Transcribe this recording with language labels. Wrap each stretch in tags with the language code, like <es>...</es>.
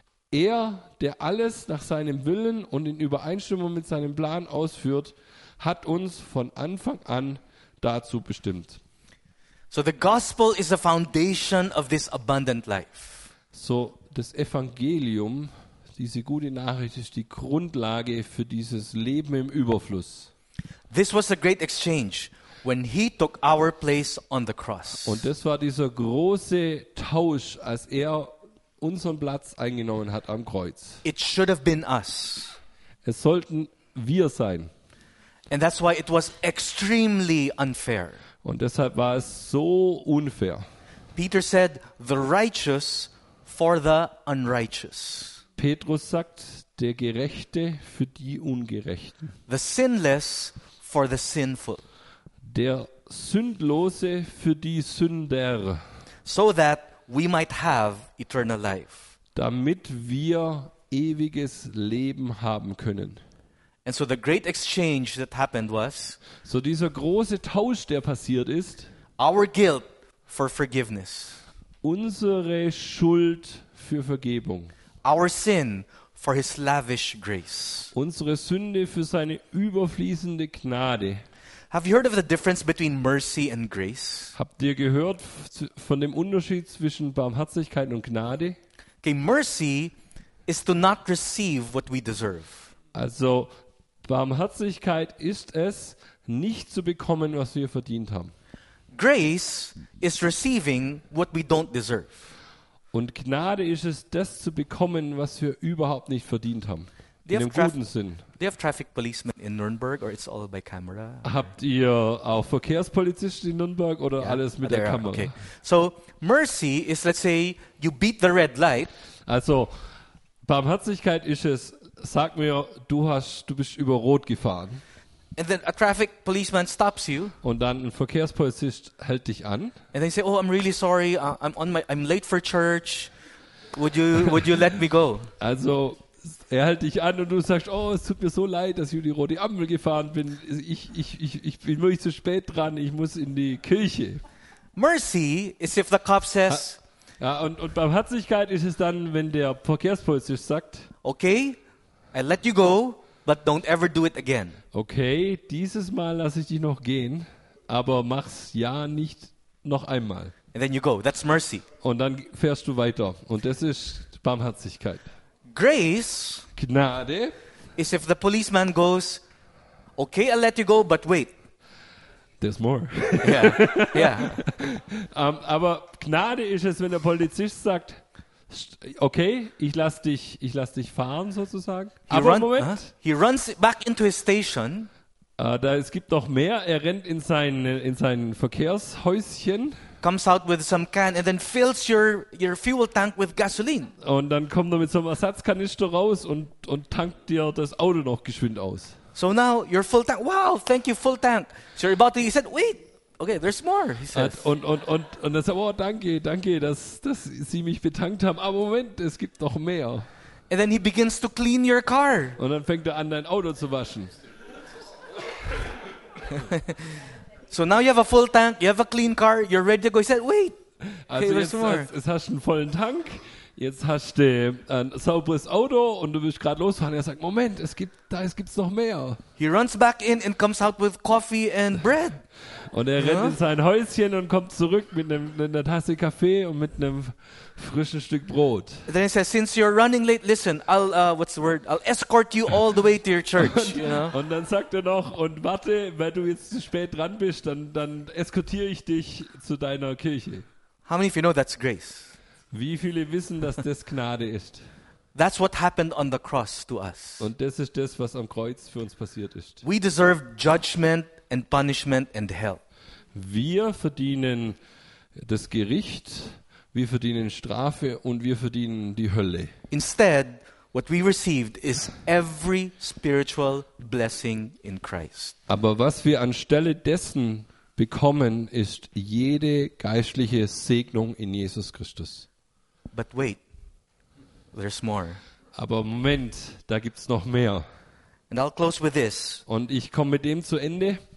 <de>Er, der alles nach seinem Willen und in Übereinstimmung mit seinem Plan ausführt, hat uns von Anfang an dazu bestimmt.</de> <en>So the gospel is the foundation of this abundant life.</en> <de>So das Evangelium, diese gute Nachricht, ist die Grundlage für dieses Leben im Überfluss.</de> <en>This was a great exchange. When he took our place on the cross.</en> <de>Und das war dieser große Tausch, als er unseren Platz eingenommen hat am Kreuz.</de> <en>It should have been us.</en> <de>Es sollten wir sein.</de> <en>And that's why it was extremely unfair.</en> <de>Und deshalb war es so unfair.</de> <en>Peter said, "The righteous for the unrighteous."</en> <de>Petrus sagt, der Gerechte für die Ungerechten.</de> <en>The sinless for the sinful.</en> <de>Der Sündlose für die Sünder.</de> <en>So that we might have eternal life.</en> <de>Damit wir ewiges Leben haben können.</de> <en>And so the great exchange that happened was.</en> <de>So dieser große Tausch, der passiert ist.</de> <en>Our guilt for forgiveness.</en> <de>Unsere Schuld für Vergebung.</de> <en>Our sin for his lavish grace.</en> <de>Unsere Sünde für seine überfließende Gnade.</de> <en>Have you heard of the difference between mercy and grace?</en> <de>Habt ihr gehört von dem Unterschied zwischen Barmherzigkeit und Gnade?</de> <en>Okay, mercy is to not receive what we deserve.</en> <de>Also, Barmherzigkeit ist es, nicht zu bekommen, was wir verdient haben.</de> <en>Grace is receiving what we don't deserve.</en> <de>Und Gnade ist es, das zu bekommen, was wir überhaupt nicht verdient haben. In dem guten Sinn.</de> <en>They have traffic policemen in Nürnberg, or it's all by camera?</en> <de>Habt ihr auch Verkehrspolizisten in Nürnberg oder alles mit der Kamera?</de> <en>Okay. So, mercy is, let's say, you beat the red light.</en> <de>Also, Barmherzigkeit ist es, sag mir, du bist über Rot gefahren.</de> <en>And then a traffic policeman stops you.</en> <de>Und dann ein Verkehrspolizist hält dich an.</de> <en>And they say, oh, I'm really sorry, I'm late for church. Would you let me go?</en> <de>Also, er hält dich an und du sagst, oh, es tut mir so leid, dass ich über die rote Ampel gefahren bin. Ich bin wirklich zu spät dran, ich muss in die Kirche.</de> <en>Mercy is if the cop says...</en> <de>Und Barmherzigkeit ist es dann, wenn der Verkehrspolizist sagt...</de> <en>Okay, I let you go, but don't ever do it again.</en> <de>Okay, dieses Mal lasse ich dich noch gehen, aber mach's ja nicht noch einmal.</de> <en>And then you go, that's mercy.</en> <de>Und dann fährst du weiter und das ist Barmherzigkeit.</de> <en>Grace,</en> <de>Gnade,</de> <en>is if the policeman goes, okay, I'll let you go, but wait. There's more. Yeah.</en> <de>Aber Gnade ist es, wenn der Polizist sagt, okay, ich lass dich fahren sozusagen.</de> <en>He runs back into his station.</en> <de>Es gibt noch mehr. Er rennt in sein Verkehrshäuschen.</de> <en>Comes out with some can and then fills your fuel tank with gasoline.</en> <de>Und dann kommt er mit so einem Ersatzkanister raus und tankt dir das Auto noch geschwind aus.</de> <en>So now you're full tank. Wow, thank you, full tank. So you're about to. He said, wait. Okay, there's more. He says.</en> <de>Und er sagt, oh, danke, dass Sie mich betankt haben. Aber Moment, es gibt noch mehr.</de> <en>And then he begins to clean your car.</en> <de>Und dann fängt er an, dein Auto zu waschen.</de> <en>So now you have a full tank, you have a clean car, you're ready to go. He said, wait. Also okay, there's more.</en> <de>Jetzt hast du einen vollen Tank, jetzt hast du ein sauberes Auto und du willst gerade losfahren. Er sagt, Moment, es gibt noch mehr.</de> <en>He runs back in and comes out with coffee and bread.</en> <de>Und er rennt in sein Häuschen und kommt zurück mit einer Tasse Kaffee und mit einem frischen Stück Brot.</de> <en>Then he says, since you're running late, listen, I'll escort you all the way to your church.</en> <de>Und dann sagt er noch, und warte, wenn du jetzt zu spät dran bist, dann eskortiere ich dich zu deiner Kirche.</de> <en>How many of you know that's grace?</en> <de>Wie viele wissen, dass das Gnade ist?</de> <en>That's what happened on the cross to us.</en> <de>Und das ist das, was am Kreuz für uns passiert ist.</de> <en>We deserve judgment and punishment and hell.</en> <de>Wir verdienen das Gericht, wir verdienen Strafe und wir verdienen die Hölle.</de> <en>Instead, what we received is every spiritual blessing in Christ.</en> <de>Aber was wir anstelle dessen bekommen, ist jede geistliche Segnung in Jesus Christus.</de> <en>But wait, there's more.</en> <de>Aber Moment, da gibt's noch mehr.</de> <en>And I'll close with this.</en> <de>Und ich komme mit dem zu Ende.</de>